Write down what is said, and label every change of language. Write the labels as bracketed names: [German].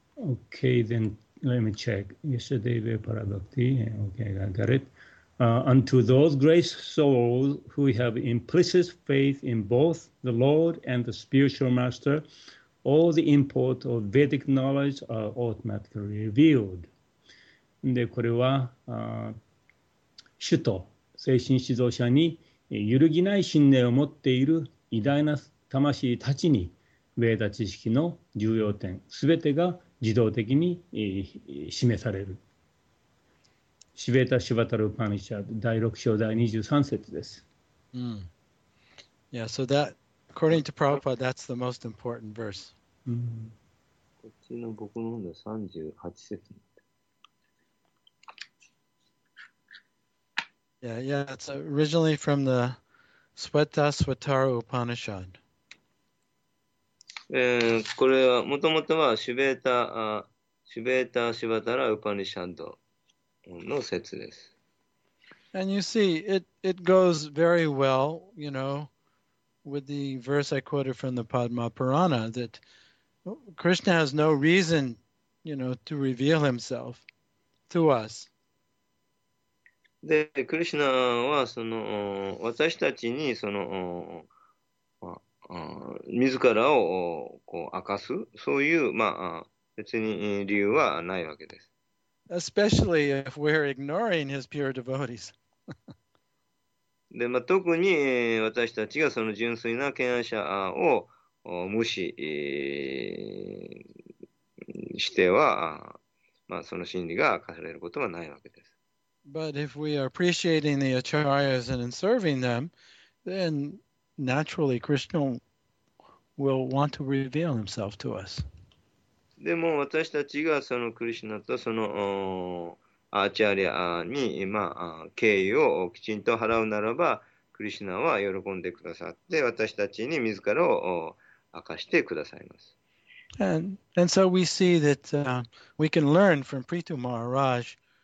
[English] Okay, then let me check. [Sanskrit] Yasya deve parabhakti. [English] Okay, I got it. Unto those great souls who have implicit faith in both the Lord and the spiritual master, all the import of Vedic knowledge are automatically revealed. [Japanese] で、これは、主と精神指導者に揺るぎない信念を持っている偉大な魂たちに、ヴェーダ知識の重要点、すべてが自動的に示される。シベータ・シバタル・パニシャード第6章第23節です。 [English] うん、yeah, so that according to Prabhupada, that's the most important verse. [Japanese] こっちの僕の方で38節。 [English] Yeah, yeah, it's originally from the Svetta Svetara Upanishad. [Japanese] これはもともとはシュベータ・シバタラ・ウパニシャンドの説です。 [English] And you see, it goes very well, you know, with the verse I quoted from the Padma Purana, that Krishna has no reason, you know, to reveal himself to us. [Japanese] で、クリシナはその私たちにその自らをこう明かすそういうまあ別に理由はないわけです。 [English] Especially if we're ignoring his pure devotees. [Japanese] で、まあ、特に私たちがその純粋な権威者を無視しては、まあ、その真理が明かされることはないわけです。 [English] But if we are appreciating the acharyas and in serving them, then naturally Krishna will want to reveal himself to us. [Japanese] でも私たちがそのクリシュナとそのアーチャリアに今敬意をきちんと払うならば、クリシュナは喜んでくださって私たちに自らを明かしてくださいます。 [English] And so we see that we can learn from Prithu Maharaj.